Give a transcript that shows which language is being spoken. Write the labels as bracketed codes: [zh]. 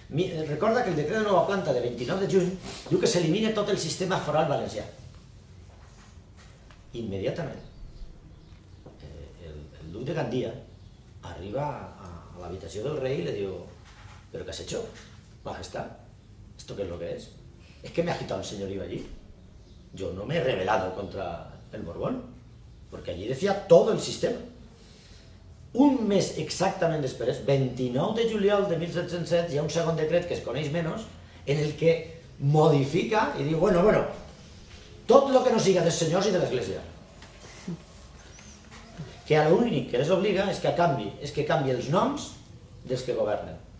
[ca] Recorda que el decret de nova planta de 29 de juny diu que s'elimina tot el sistema foral valencià. Immediatament. El duc de Gandia arriba a l'habitació del rei i li diu, però què [es] has hecho, [ca] majestat? [es] ¿Esto qué es lo que es? ¿Es que me ha agitado el señor Viu allí? Yo no me he rebelado contra el Borbón, porque allí decía todo el sistema. [ca] Un mes exactament després, 29 de juliol de 1707, hi ha un segon decret que es coneix menys, en el que modifica i diu, bueno, tot el que no siga dels senyors i de l'Església. Que l'únic que les obliga és que canvi els noms dels que governen.